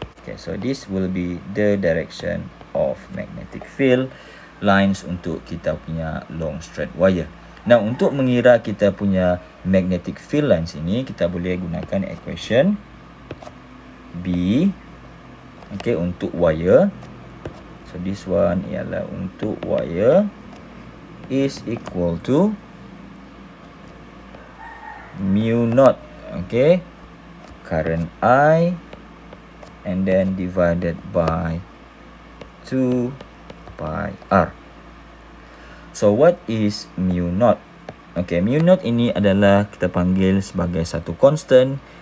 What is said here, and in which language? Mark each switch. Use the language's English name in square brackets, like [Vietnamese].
[English] Okay, so this will be the direction of magnetic field lines [Malay] untuk kita punya [English] long straight wire. [Malay] Nah, untuk mengira kita punya [English] magnetic field lines [Malay] ini, kita boleh gunakan equation B. Okay, untuk wire. [English] So this one [Malay] ialah untuk [English] wire. Is equal to mu naught, okay, current I, and then divided by 2 pi r. So what is mu naught? [Malay] Okay, mu naught ini adalah kita panggil sebagai satu constant.